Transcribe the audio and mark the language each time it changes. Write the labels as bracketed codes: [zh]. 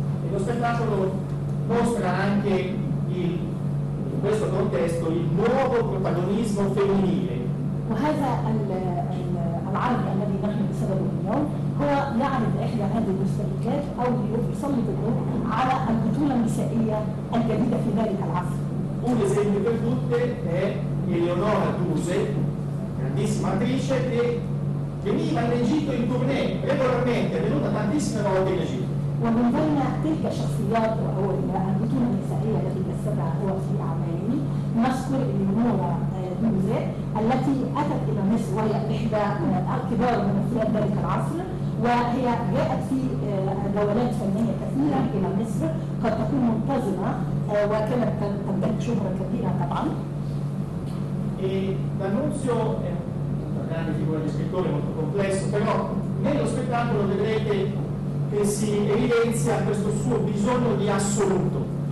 [it] Lo spettacolo mostra anche in questo contesto il nuovo protagonismo femminile. [ar] وهذا العرض الذي نحن بسببه اليوم هو يعرض إحدى هذه المستجدات أو يسلط الضوء على البطولة النسائية الجديدة في ذلك العصر. [it] Un esempio per tutte è Eleonora Duse, grandissima attrice che veniva in Egitto in tournée regolarmente, è venuta tantissime volte in Egitto. [ar] ومن بين تلك الشخصيات أو البطولة النسائية التي جسدها هو في أعماله نذكر إليونورا دوزي التي أتت إلى مصر وهي إحدى الكبار ممثلات ذلك العصر وهي جاءت في دورات فنية كثيرة إلى مصر قد تكون منتظمة وكانت تمتلك شهرة كبيرة طبعا. [it] L'Annunzio è una grande figura di scrittore molto complesso, però nello spettacolo vedrete che si evidenzia questo suo bisogno di assoluto.